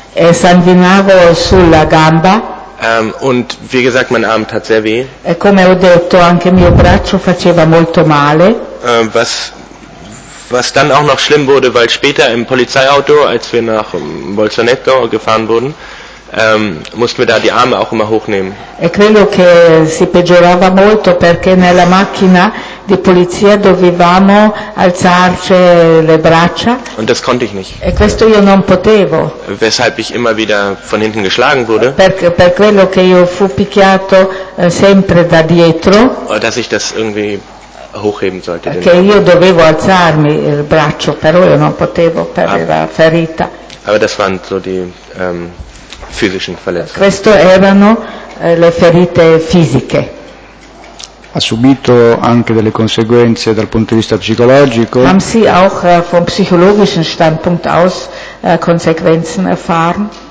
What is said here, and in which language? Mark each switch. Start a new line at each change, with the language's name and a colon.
Italian: E sanguinavo sulla gamba.
German: Und wie gesagt, mein Arm tat sehr weh.
Italian: E come ho detto, anche mio braccio faceva molto male.
German: Was dann auch noch schlimm wurde, weil später im Polizeiauto, als wir nach Bolzaneto gefahren wurden, mussten wir da die Arme auch immer hochnehmen.
Italian: E credo che si peggiorava molto perché nella macchina di polizia dovevamo alzarci le braccia.
German: Und das konnte ich nicht.
Italian: E questo io non potevo.
German: Weshalb ich immer wieder von hinten geschlagen wurde.
Italian: Per quello che io fu picchiato sempre da dietro.
German: Dass ich das irgendwie hochheben sollte.
Italian: Che io dovevo alzarmi il braccio, però io non potevo per la ferita.
German: Aber das waren so die physischen Verletzungen.
Italian: Questo erano le ferite fisiche. Ha subito anche delle conseguenze dal punto di vista psicologico?
German: Haben Sie auch vom psychologischen Standpunkt aus Konsequenzen erfahren?